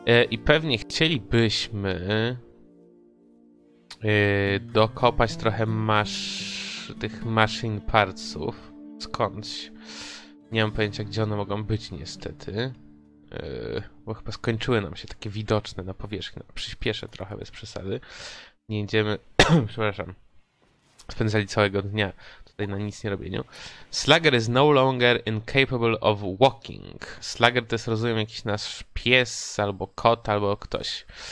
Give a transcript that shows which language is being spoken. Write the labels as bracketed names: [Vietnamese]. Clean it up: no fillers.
[Polish] I pewnie chcielibyśmy dokopać trochę tych machine partsów. Skądś. Nie mam pojęcia, gdzie one mogą być niestety. Bo chyba skończyły nam się takie widoczne na powierzchni. No, przyspieszę trochę bez przesady. Nie idziemy... przepraszam. Spędzali całego dnia tutaj na nic nie robieniu. [English] Slugger is no longer incapable of walking. [Polish] Slugger to jest, rozumiem, jakiś nasz pies albo kot albo ktoś.